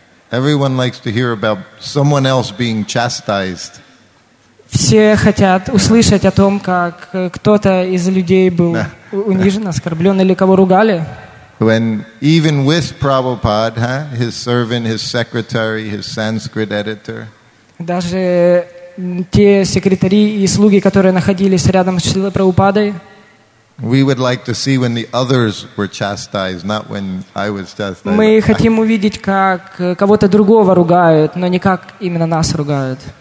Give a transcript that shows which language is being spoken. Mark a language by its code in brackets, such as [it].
[en] Everyone likes to hear about someone else being chastised. [ru] Все хотят услышать о том, как кто-то из людей был унижен, оскорблен или кого ругали. [en] When even with Prabhupada, huh, his servant, his secretary, his Sanskrit editor. [ru] Даже те секретари и слуги, которые находились рядом с Шрилой Прабхупадой. [en] We would like to see when the others were chastised, not when I was chastised. [ru] Мы хотим увидеть, как кого-то другого ругают, но не как именно нас ругают.